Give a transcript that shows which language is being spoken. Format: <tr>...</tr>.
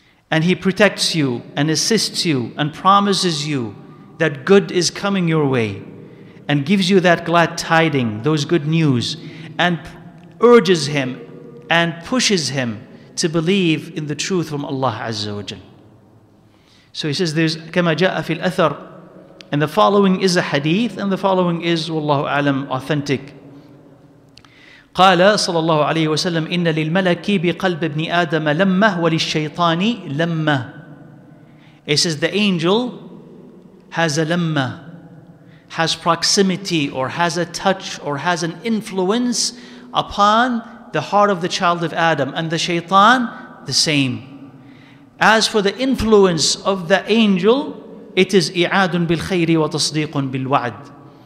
<en>And He protects you and assists you and promises you that good is coming your way and gives you that glad tiding, those good news, and urges him and pushes him to believe in the truth from Allah Azza wa Jal. So he says, there's</en> <ar>كَمَا جَاءَ فِي الْأَثَرِ.</ar> <en>And the following is a hadith, and the following is, wallahu alam, authentic.</en> <ar>قال صلى الله عليه وسلم إن للملك بقلب ابن آدم لمة وللشيطان لمة.</ar> <en>He says the angel has a لمة, has proximity or has a touch or has an influence upon the heart of the child of Adam, and the shaitan the same. As for the influence of the angel, it is</en> <ar>إعاد بالخير وتصديق بالوعد.</ar>